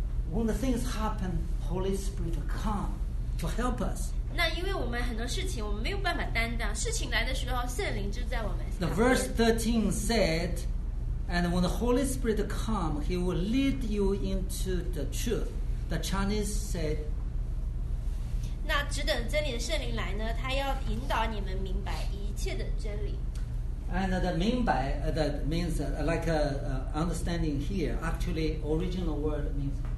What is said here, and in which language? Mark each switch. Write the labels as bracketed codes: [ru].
[en] When the things happen, Holy Spirit come to help us. [zh] 那因为我们很多事情我们没有办法担当，事情来的时候圣灵就在我们。 [en] The verse 13 said, and when the Holy Spirit come, He will lead you into the truth. The Chinese said, [zh] 那只等真理的圣灵来呢，他要引导你们明白一切的真理。 [en] And the 明白 that means like understanding here. Actually, original word means.